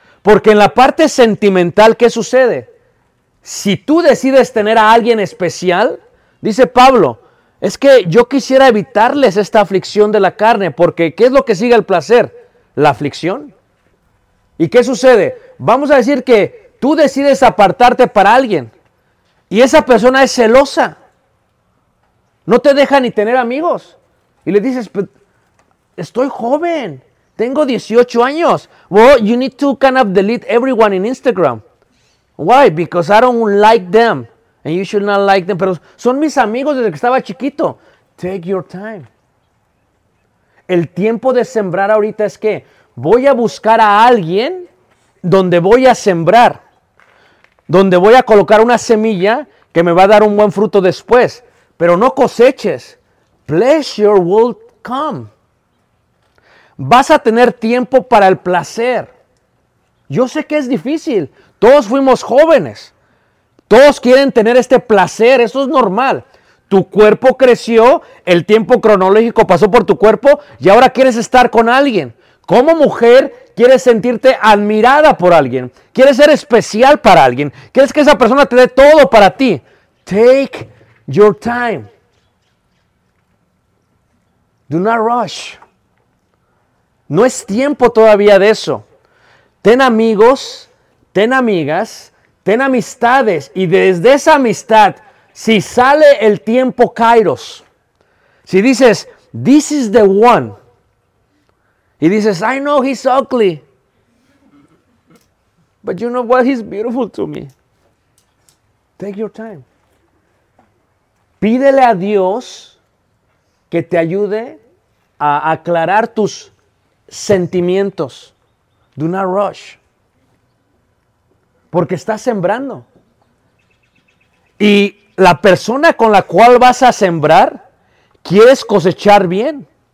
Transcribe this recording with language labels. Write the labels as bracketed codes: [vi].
[es] Porque en la parte sentimental, ¿qué sucede? Si tú decides tener a alguien especial, dice Pablo, es que yo quisiera evitarles esta aflicción de la carne, porque ¿qué es lo que sigue al placer? La aflicción. ¿Y qué sucede? Vamos a decir que tú decides apartarte para alguien y esa persona es celosa. No te deja ni tener amigos. Y le dices, estoy joven, tengo 18 años. [en] Well, you need to kind of delete everyone in Instagram. Why? Because I don't like them. And you should not like them. [es] Pero son mis amigos desde que estaba chiquito. [en] Take your time. [es] El tiempo de sembrar ahorita es que voy a buscar a alguien donde voy a sembrar. Donde voy a colocar una semilla que me va a dar un buen fruto después. Pero no coseches. [en] Pleasure will come. [es] Vas a tener tiempo para el placer. Yo sé que es difícil. Todos fuimos jóvenes. Todos quieren tener este placer. Eso es normal. Tu cuerpo creció. El tiempo cronológico pasó por tu cuerpo. Y ahora quieres estar con alguien. Como mujer, quieres sentirte admirada por alguien. Quieres ser especial para alguien. Quieres que esa persona te dé todo para ti. [en] Take your time. Do not rush. [es] No es tiempo todavía de eso. Ten amigos, ten amigas, ten amistades. Y desde esa amistad, si sale el tiempo Kairos, si dices, [en] this is the one, [es] y dices, [en] I know he's ugly, but you know what, he's beautiful to me. Take your time. [es] Pídele a Dios que te ayude a aclarar tus sentimientos. [en] Do not rush. [es] Porque estás sembrando. Y la persona con la cual vas a sembrar, quieres cosechar bien.